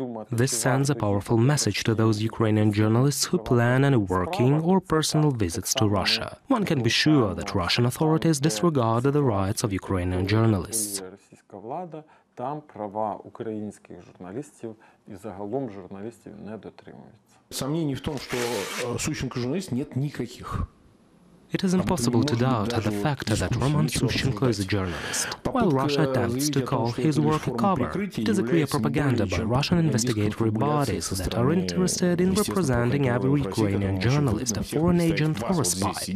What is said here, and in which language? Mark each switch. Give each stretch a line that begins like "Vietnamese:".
English: This sends a powerful message to those Ukrainian journalists who plan any working or personal visits to Russia. One can be sure that Russian authorities disregard the rights of Ukrainian journalists.
Ukrainian: Там права українських журналістів і загалом журналістів не дотримуються. Сумнівів в тому, що Сущенко журналіст,
Russian: нет никаких.
English: It is impossible to doubt the fact that Roman Sushchenko is a journalist. While Russia attempts to call his work a cover, it is a clear propaganda by Russian investigatory bodies that are interested in representing every Ukrainian journalist, a foreign agent or a spy.